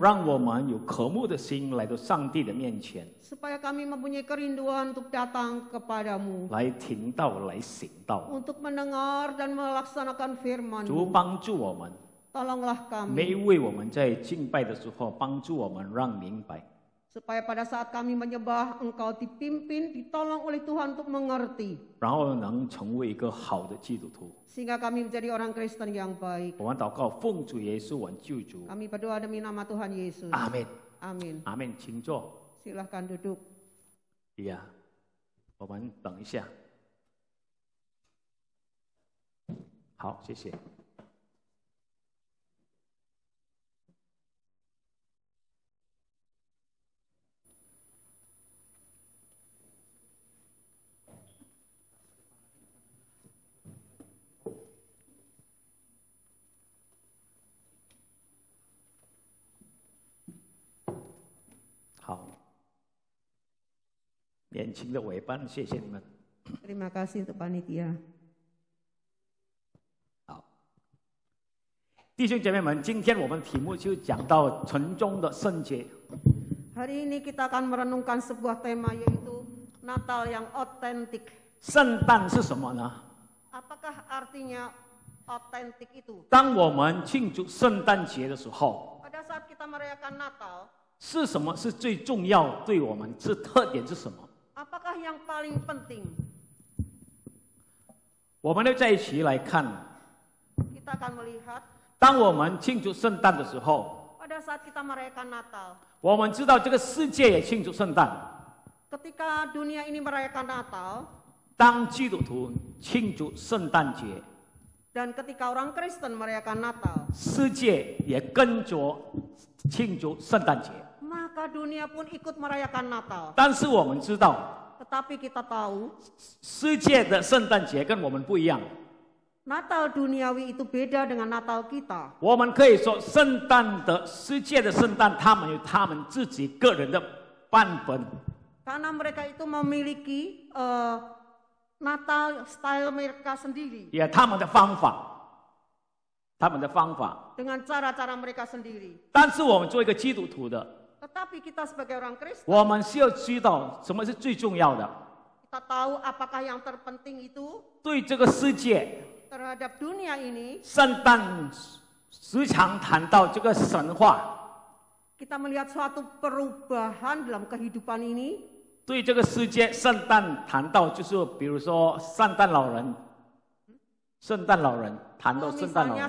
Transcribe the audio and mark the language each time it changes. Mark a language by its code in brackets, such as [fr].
[zh] 让我们有渴慕的心来到上帝的面前, [id] supaya kami mempunyai kerinduan untuk datang kepadamu, [zh] 来听道, 来行道, [id] untuk mendengar dan melaksanakan firman-Mu. [zh] 主帮助我们, [id] tolonglah kami, [zh] 每一位我们在敬拜的时候, 帮助我们让明白, [id] supaya pada saat kami menyembah engkau dipimpin, ditolong oleh Tuhan untuk mengerti. [zh] 然后能成为一个好的基督徒. [id] Sehingga kami menjadi orang Kristen yang baik. [zh] 我们祷告奉主耶稣救主. [id] Kami berdoa demi nama Tuhan Yesus. Amin. Amin. [zh] Amin. 请坐. [id] Silakan duduk. [zh] Iya. Yeah. 我们等一下. 好，谢谢. 年轻的委办，谢谢你们。 [id] Terima kasih untuk panitia. [zh] 好，弟兄姐妹们，今天我们题目就讲到城中的圣洁。 [id] Hari ini kita akan merenungkan sebuah tema yaitu Natal yang otentik. [zh] 圣诞是什么呢？ [id] Apakah artinya otentik itu？ [zh] 当我们庆祝圣诞节的时候， [id] pada saat kita merayakan Natal， [zh] 是什么是最重要对我们？是特点是什么？ [id] Apakah yang paling penting? [zh] 我们要再一起来看。 [id] Kita akan melihat. [zh] 当我们庆祝圣诞的时候， [id] pada saat kita merayakan Natal， [zh] 我们知道这个世界也庆祝圣诞。 [id] Ketika dunia ini merayakan Natal， [zh] 当基督徒庆祝圣诞节， [id] dan ketika orang Kristen merayakan Natal， [zh] 世界也跟着庆祝圣诞节。 [id] Maka dunia pun ikut merayakan Natal. [zh] 但是我们知道, [id] tetapi kita tahu, [zh] 世界的圣诞节跟我们不一样。 [id] Natal duniawi itu beda dengan Natal kita. [zh] 我们可以说圣诞的, 世界的圣诞, 他们有他们自己个人的版本。 [id] Karena mereka itu memiliki Natal style mereka sendiri. [zh] Ya, 他们的方法。他们的方法。 [id] Dengan cara-cara mereka sendiri. [zh] 但是我们做一个基督徒的, [id] tetapi kita sebagai orang Kristen， [zh] 我们需要知道什么是最重要的。 [id] Kita tahu apakah yang terpenting itu， [zh] 对这个世界， [id] terhadap dunia ini， [zh] 圣诞时常谈到这个神话。 [id] Kita melihat suatu perubahan dalam kehidupan ini， [zh] 对这个世界， 圣诞谈到就是， 比如说圣诞老人， 圣诞老人， 谈到圣诞老人，